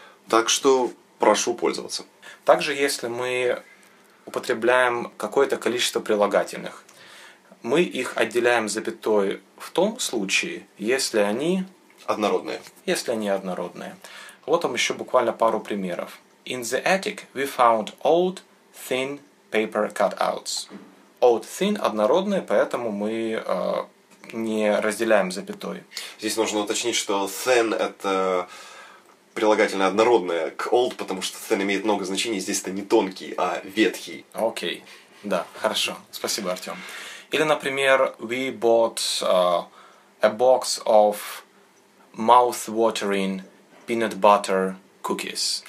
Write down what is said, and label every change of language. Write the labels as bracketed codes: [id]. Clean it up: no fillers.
[ru] Так что прошу пользоваться. Также, если мы употребляем какое-то количество прилагательных, мы их отделяем запятой в том случае, если они однородные. Если они однородные. Вот вам еще буквально пару примеров. [en] In the attic we found old thin paper cutouts. [ru] Old thin однородные, поэтому мы не разделяем запятой. Здесь нужно уточнить, что thin это прилагательное однородное к old, потому что thin имеет много значений. Здесь это не тонкий, а ветхий. Окей. Да, хорошо. Спасибо, Артём. Или, например, [en] we bought a box of mouth-watering peanut butter cookies.